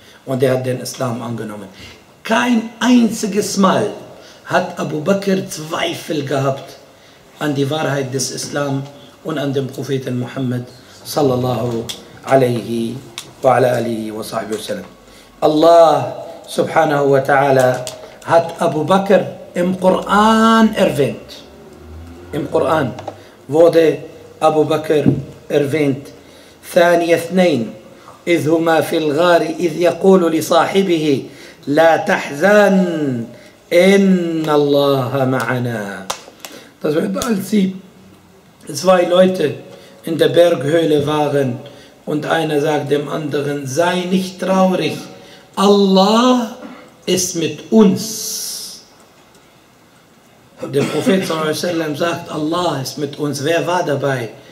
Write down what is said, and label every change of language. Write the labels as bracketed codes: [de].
[de] Und er hat den Islam angenommen. Kein einziges Mal hat Abu Bakr Zweifel gehabt an die Wahrheit des Islam und an den Propheten Muhammad [ar] sallallahu alaihi وعلى آله وصحبه وسلم. الله سبحانه وتعالى [de] hat Abu Bakr im Koran erwähnt. Im Koran wurde Abu Bakr erwähnt. [ar] ثاني اثنين إذ هما في الغار إذ يقول لصاحبه لا تحزن إن الله معنا. [de] Das bedeutet, als sie zwei Leute in der Berghöhle waren und einer sagt dem anderen, sei nicht traurig, Allah ist mit uns. Der Prophet sagt, Allah ist mit uns. Wer war dabei?